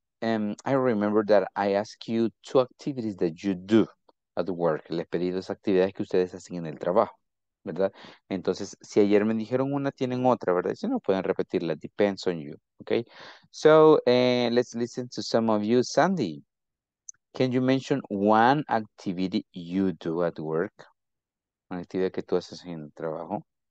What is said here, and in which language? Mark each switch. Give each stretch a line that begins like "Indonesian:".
English: I remember that I asked you two activities that you do at work.
Spanish: Les pedí dos actividades que ustedes hacen en el trabajo, ¿verdad? Entonces, si ayer me dijeron una, tienen otra, ¿verdad? Si no, pueden repetirla.
English: Depends on you, okay? So, let's listen to some of you. Sandy, can you mention one activity you do at work?
Spanish: Una actividad que tú haces en el trabajo.